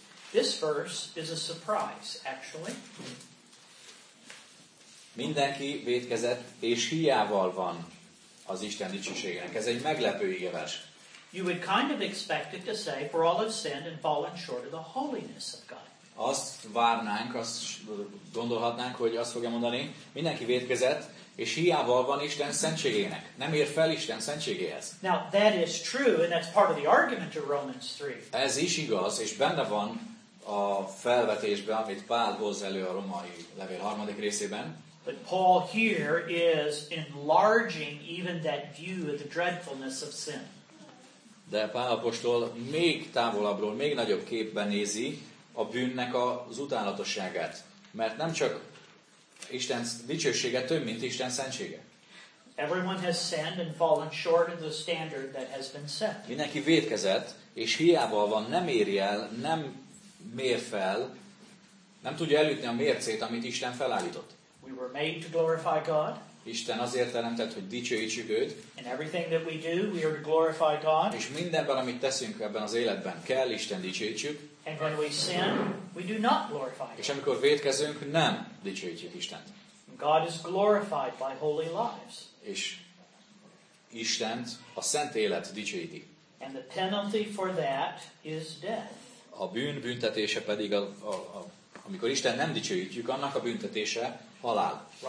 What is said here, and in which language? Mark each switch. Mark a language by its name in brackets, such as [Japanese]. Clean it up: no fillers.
[English] This verse is a surprise, actually. [Hungarian] Mindenki vétkezett és hiával van az Isten dicsőségének. Ez egy meglepő igevers. [English] You would kind of expect it to say, for all have sinned and fallen short of the holiness of God. [Hungarian] Azt várnánk, azt gondolhatnánk, hogy azt fogja mondani, mindenki vétkezett és hiával van Isten szentségének. Nem ér fel Isten szentségéhez. [English] Now that is true, and that's part of the argument of Romans 3. [Hungarian] Ez is igaz, és benne van a felvetésben, amit Pál hoz elő a Római Levél harmadik részében. [English] But Paul here is enlarging even that view of the dreadfulness of sin. [Hungarian] De Pál apostol még távolabbról, még nagyobb képben nézi a bűnnek az utálatosságát. Mert nem csak Isten dicsősége több, mint Isten szentsége. [English] Everyone has sinned and fallen short of the standard that has been set. [Hungarian] Mindenki vétkezett, és hiába van, nem éri el, nem mér fel, nem tudja elütni a mércét, amit Isten felállított. [English] We were made to glorify God. [Hungarian] Isten azért teremtett, hogy dicsőítsük őt. [English] In everything that we do, we are to glorify God. [Hungarian] És mindenben, amit teszünk ebben az életben, kell Isten dicsőítsük. [English] And when we sin, we do not glorify God. [Hungarian] És amikor vétkezünk, nem dicsőítjük Istent. [English] God is glorified by holy lives. [Hungarian] És Istent a szent élet dicsőíti. [English] And the penalty for that is death. [Hungarian] A bűn büntetése pedig, amikor Isten nem dicsőítjük, annak a büntetése halál.